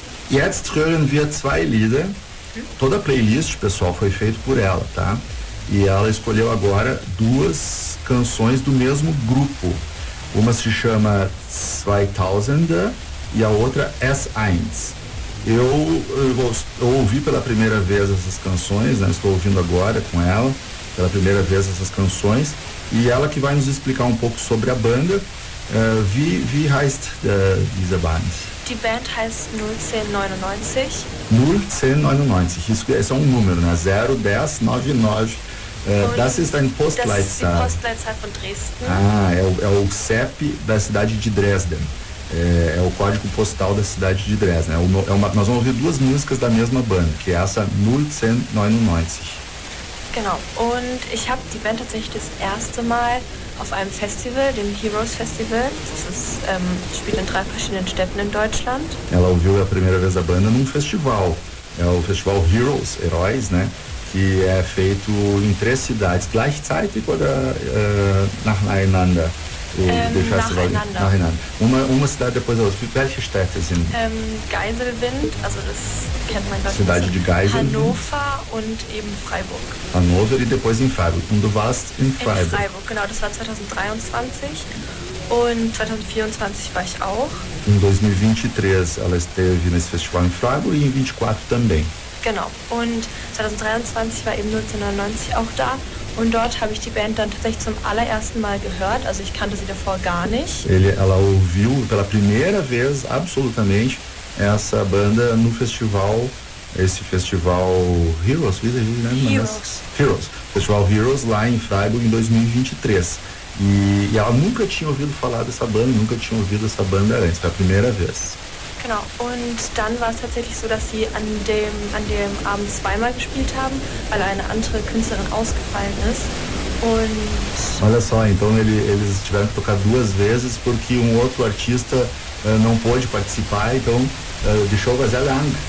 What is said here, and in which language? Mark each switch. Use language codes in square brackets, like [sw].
[de] Jetzt hören wir zwei Lieder. [pt] Toda a playlist, pessoal, foi feita por ela, tá? E ela escolheu agora duas canções do mesmo grupo. Uma se chama 2000 e a outra S1. Eu ouvi pela primeira vez essas canções, né? Estou ouvindo agora com ela, pela primeira vez essas canções. E ela que vai nos explicar um pouco sobre a banda. [de] Wie heißt diese Band? Die Band heißt 01099. 01099, ist ein Numero, ne? 01099. Das ist ein Postleitzahl. Das ist die Postleitzahl von Dresden. [pt] Ah, é o CEP da cidade de Dresden. É o código postal da cidade de Dresden. Nós vamos ouvir duas músicas da mesma banda, que é essa 01099. [de] Genau, und ich habe die Band tatsächlich das erste Mal auf einem Festival, dem Heroes Festival. Das ist, spielt in drei verschiedenen Städten in Deutschland. [pt] Ela ouviu a primeira vez a banda num festival. É o Festival Heroes, Heróis, né? Que é feito em três cidades. [de] Gleichzeitig oder nacheinander? Nacheinander. [pt] Uma cidade depois da outra. [de] Welche Städte sind? Geiselwind, also das kennt man bei [pt] Cidade de Geiselwind. [de] Hannover und eben Freiburg. [pt] Hannover e depois em Freiburg. [de] Und du warst in Freiburg. In Freiburg, genau. Das war 2023. Und 2024 war ich auch. [pt] Em 2023 ela esteve nesse festival em Freiburg e em 24 também. [de] Genau. Und 2023 war eben 1999 auch da. Und dort habe ich die Band dann tatsächlich zum allerersten Mal gehört, also ich kannte sie davor gar nicht. [pt] Ela ouviu pela primeira vez absolutamente essa banda no festival, esse festival Heroes, [de] wie heißt das? [en] Heroes. Heroes. [pt] Festival Heroes lá em Freiburg em 2023. E ela nunca tinha ouvido falar dessa banda, nunca tinha ouvido essa banda antes, foi a primeira vez. [de] Genau, und dann war es tatsächlich so, dass sie an dem Abend zweimal gespielt haben, weil eine andere Künstlerin ausgefallen ist. Und [pt] olha só, então eles tiveram que tocar duas vezes porque outro artista não pôde participar, então [de] die Show war sehr lang.